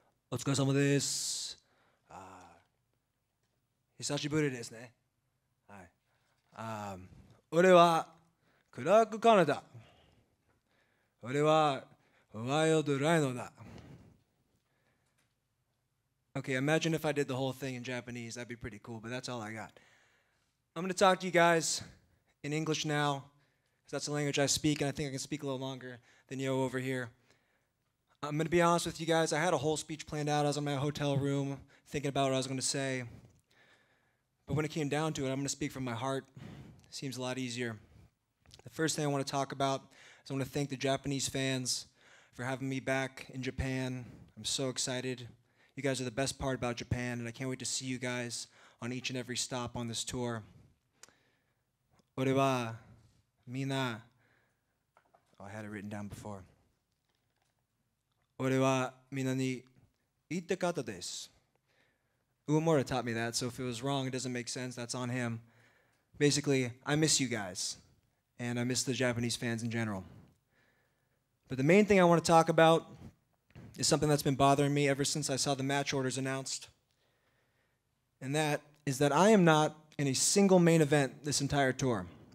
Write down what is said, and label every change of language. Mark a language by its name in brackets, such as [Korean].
[Japanese] お疲れ様です。あ、久しぶりですね。はい、あ、俺はクラーク・カナダ。俺はワイルド・ライノだ。 [English] OK, imagine if I did the whole thing in Japanese. That'd be pretty cool, but that's all I got. I'm going to talk to you guys in English now, because that's the language I speak, and I think I can speak a little longer than Yo over here. I'm going to be honest with you guys. I had a whole speech planned out. I was in my hotel room thinking about what I was going to say. But when it came down to it, I'm going to speak from my heart. It seems a lot easier. The first thing I want to talk about is I want to thank the Japanese fans for having me back in Japan. I'm so excited. You guys are the best part about Japan, and I can't wait to see you guys on each and every stop on this tour. [Japanese] 俺はみんな、 [English] oh, I had it written down before. [Japanese] 俺はみんなに言ってかったです。 [English] Uemura taught me that, so if it was wrong, it doesn't make sense, that's on him. Basically, I miss you guys, and I miss the Japanese fans in general. But the main thing I want to talk about is something that's been bothering me ever since I saw the match orders announced, and that is that I am not in a single main event this entire tour.